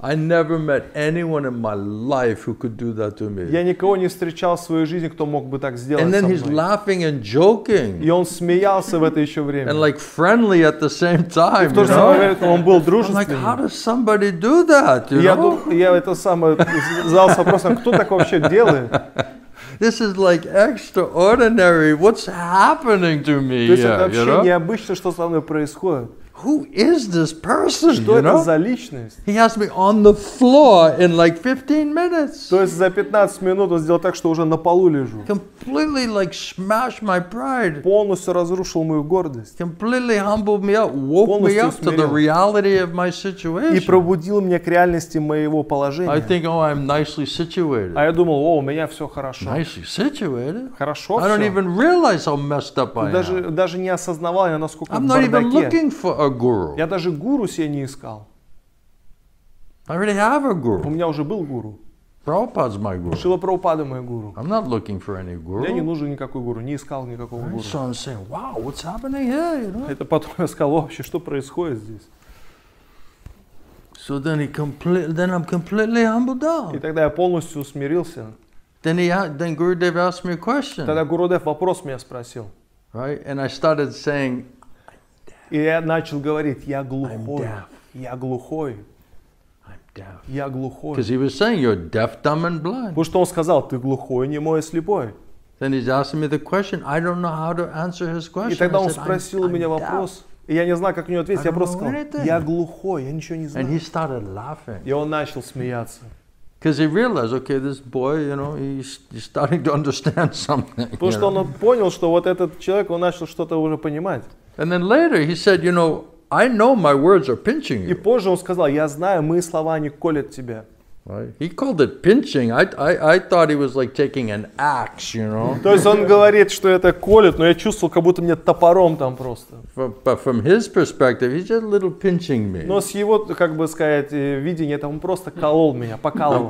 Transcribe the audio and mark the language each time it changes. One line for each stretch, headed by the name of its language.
English: I never met anyone in my life who could do that to me.
Russian: Я никого не встречал в своей жизни, кто мог бы так сделать со мной.
English: And then he's laughing and joking.
Russian: И он смеялся в это еще время.
English: And like friendly at the same time.
Russian: И в то же самое время он был дружественный.
English: I'm like, how does somebody do that? You know?
Russian: Я это самое задался вопросом, кто так вообще делает?
English: This is like extraordinary. What's happening to me?
Russian: То есть это вообще необычно, что со мной происходит.
English: Who is this person?
Russian: Что это за личность?
English: He has me on the floor in like 15 minutes.
Russian: То есть за 15 минут он сделал так, что уже на полу лежу.
English: Completely like smashed my pride.
Russian: Полностью разрушил мою гордость.
English: Completely humbled me up, woke me up to the reality of my situation.
Russian: И пробудил меня к реальности моего положения.
English: I think, oh, I'm nicely situated.
Russian: А я думал, о, у меня все хорошо.
English: Nicely situated?
Russian: Хорошо все.
English: I don't even realize how messed up I am.
Russian: Даже не осознавал я, насколько в бардаке.
English: I'm not even looking for a guru.
Russian: Я даже гуру себе не искал.
English: I already have a guru.
Russian: У меня уже был гуру.
English: Prabhupada's my guru.
Russian: Шрила Прабхупада мой гуру.
English: I'm not looking for any guru.
Russian: Я не нужен никакой гуру, не искал никакого гуру.
English: So I'm saying, wow, what's happening here? You know?
Russian: Это потом я сказал, вообще, что происходит здесь?
English: So then he then I'm completely humbled down.
Russian: И тогда я полностью усмирился.
English: Then Guru Dev asked me a question.
Russian: Тогда Гуру Дев вопрос меня спросил.
English: Right? And I started saying,
Russian: и я начал говорить, я глухой, я глухой, я глухой.
English: Because he was saying you're deaf, dumb, and blind.
Russian: Потому что он сказал, ты глухой, немой, слепой.
English: Then he's asking me the question. I don't know how to answer his question.
Russian: И тогда он спросил у меня вопрос, и я не знаю, как мне ответить. Я просто сказал, я глухой, я ничего не знаю.
English: And he started laughing.
Russian: И он начал смеяться.
English: Because he realized, okay, this boy, you know, he's starting to understand something.
Russian: Потому что он понял, что вот этот человек, он начал что-то уже понимать.
English: And then later he said, you know, I know my words are pinching you.
Russian: И позже он сказал, я знаю, мои слова не колят тебя.
English: Right. He called it pinching. I thought he was like taking an axe, you know.
Russian: То есть он говорит, что это колет, но я чувствовал, как будто мне топором там просто.
English: But from his perspective, he's just a little pinching me.
Russian: Но с его, как бы сказать, видения, там он просто колол меня, покалывал.